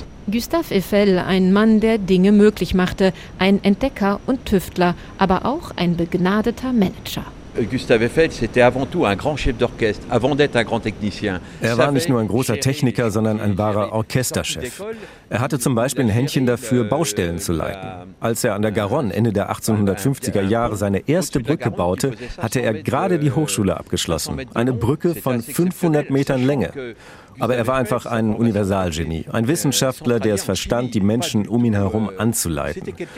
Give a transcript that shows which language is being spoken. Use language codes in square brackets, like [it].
[de] Gustave Eiffel, ein Mann, der Dinge möglich machte, ein Entdecker und Tüftler, aber auch ein begnadeter Manager. [fr] Gustave Eiffel, c'était avant tout un grand chef d'orchestre, avant d'être un grand technicien. [de] Er war nicht nur ein großer Techniker, sondern ein wahrer Orchesterchef. Er hatte zum Beispiel ein Händchen dafür, Baustellen zu leiten. Als er an der Garonne Ende der 1850er Jahre seine erste Brücke baute, hatte er gerade die Hochschule abgeschlossen. Eine Brücke von 500 Metern Länge. Aber er war einfach ein Universalgenie, ein Wissenschaftler, der es verstand, die Menschen um ihn herum anzuleiten.